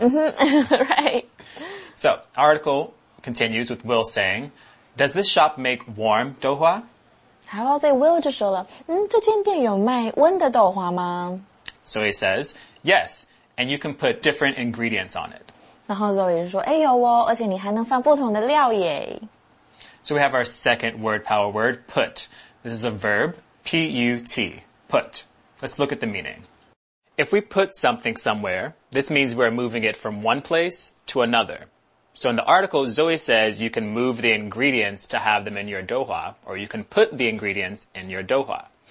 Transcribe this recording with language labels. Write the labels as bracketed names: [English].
[English] Mm-hmm. Right. So, article continues with Will saying, does this shop make warm douhua? How about they [Chinese] Will 就说了，这间店有卖温的豆花吗？ [English] So he says, yes, and you can put different ingredients on it. [Chinese] 然后 Zoe 就说，哎，有哦，而且你还能放不同的料耶。 [English] So we have our second word power word, put. This is a verb, P-U-T, put. Let's look at the meaning. If we put something somewhere, this means we're moving it from one place to another. So in the article, Zoe says you can move the ingredients to have them in your douhua, or you can put the ingredients in your douhua.